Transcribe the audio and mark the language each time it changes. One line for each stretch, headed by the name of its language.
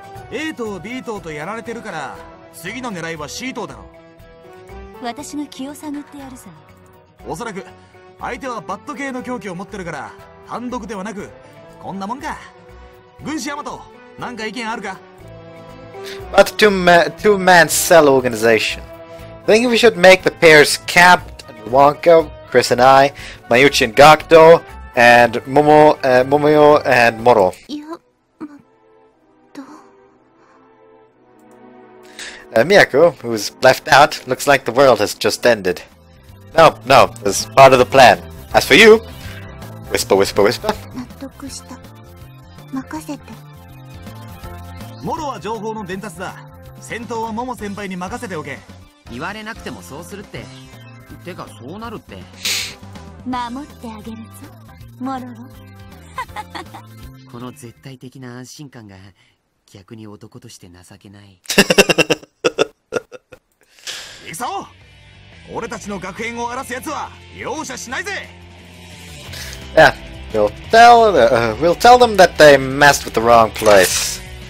Japanese: A 棟、B 棟とやられてるから、次の狙いは C 棟だろ。私が気を探ってやるさ。おそらく。相手はバット系の凶器を持ってるから単独ではなくこんなもんか。軍師ヤマト、何か意見あるか？
English: But two-man cell organization. I think we should make the pairs Capt and Wonka, Chris and I, Mayuchi and Gakuto, and Momoyo and Moro. Miyako, who's left out, looks like the world has just ended. No, it's part of the plan. As for you, whisper.
Japanese: 納得した。任せて。モロは情報の伝達だ。戦闘はモモ先輩に任せておけ。言われなくてもそうするって。てかそうなるって。守ってあげるぞ、モロロ。この絶対的な安心感が逆に男として情けない。行くぞ。俺たちの学園を荒らす奴は容赦しないぜ。
English: Yeah, we'll tell them that they messed with the wrong place.